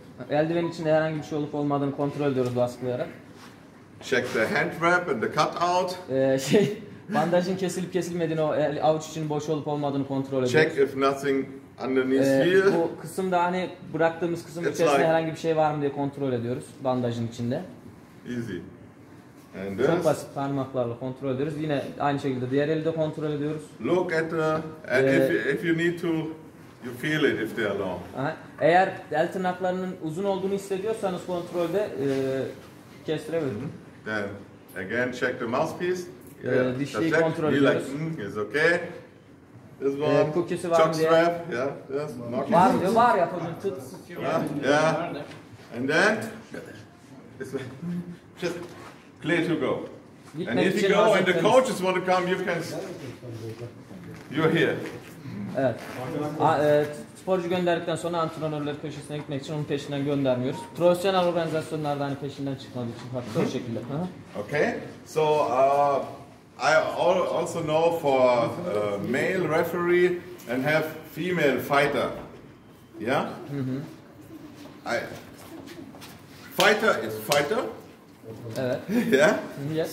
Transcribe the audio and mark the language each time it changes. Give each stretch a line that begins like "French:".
Turkish: Eldiven içinde herhangi bir şey olup olmadığını kontrol ediyoruz baskılayarak.
English: Check the hand wrap and the cut out.
Turkish: Bandajın kesilip kesilmediğini, o avuç için boş olup olmadığını kontrol edin.
English: Check if nothing underneath here.
Turkish: Bu kısımda hani bıraktığımız kısım içerisinde like herhangi bir şey var mı diye kontrol ediyoruz bandajın içinde.
English: Easy.
Turkish: And çok basit parmaklarla kontrol ediyoruz. Yine aynı şekilde diğer elde kontrol ediyoruz.
English: Look at the and if you need to, you feel it if they are long.
Turkish: Eğer el tırnaklarının uzun olduğunu hissediyorsanız kontrolde kestirebilirim.
English: Then again check the mouthpiece.
Turkish: Dişliği kontrol ediyoruz.
English: Like, it's okay. This one.
Turkish: Kukisi var mı diye.
English: Strap. Yeah.
Turkish: Var mı? Var ya. Tut.
English: Yeah. And then just clear to go. And if you go and the coaches want to come, you can. You're here.
Turkish: Evet. Sporcu gönderdikten sonra antrenörleri köşesine gitmek için onun peşinden göndermiyoruz. Profesyonel organizasyonlarda hani peşinden çıkmadığı için farklı bir şekilde.
English: Okay. So I also know for male referee and have female fighter. Yeah? Fighter is fighter.
Turkish: Evet.
English: Yeah? Yes.